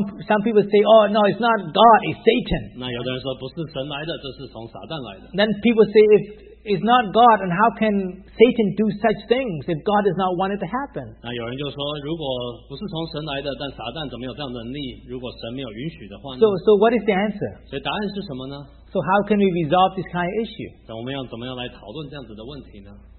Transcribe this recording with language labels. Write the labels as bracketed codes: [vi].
[en] some people say, oh no, it's not God, it's Satan. [zh] 那有的人说不是神来的，这是从撒旦来的。 [en] Then people say if it's not God, and how can Satan do such things if God does not want it to happen? [zh] 那有人就说,如果不是从神来的,但撒旦怎么有这样的能力,如果神没有允许的话呢? [en] So what is the answer? [zh] 所以答案是什么呢? [en] So how can we resolve this kind of issue? [zh] 那我们要怎么样来讨论这样子的问题呢?